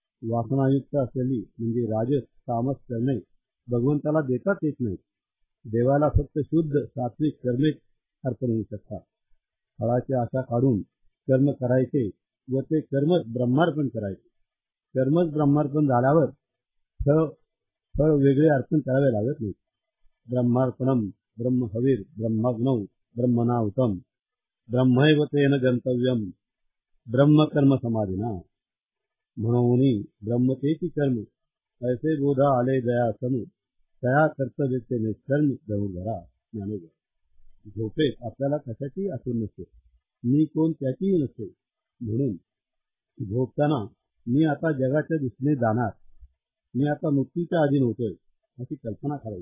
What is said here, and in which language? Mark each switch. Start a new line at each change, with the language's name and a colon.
Marathi: वासनायुक्त असलेली म्हणजे राजस तामस कर्मे भगवंताला देताच येत नाही. देवाला फक्त शुद्ध सात्विक कर्मे अर्पण होऊ शकतात. फळाची आशा काढून कर्म करायचे व ते कर्मच ब्रह्मार्पण करायचे. कर्मच ब्रह्मार्पण झाल्यावर फळ वेगळे अर्पण करावे लागत नाही.
Sanskrit: ब्रह्मार्पणम ब्रह्महवीर ब्रह्मग्नौ ब्रह्मनाहुतम ब्रह्मैव तेन गंतव्यम ब्रह्म कर्म समाधिना.
Marathi: म्हणून ब्रह्म तेची कर्म ऐसे बोधा आले दया समु तया कर्तव्य ते निष्कर्म जाऊ घरा. ज्ञानोबा झोपेत आपल्याला कशाची आठवण नसते, मी कोण त्याचीही नसते. म्हणून झोपताना मी आता जगाच्या दिशेने जाणार, मी आता मृत्यूच्या आधी नव्हतोय अशी कल्पना करावी.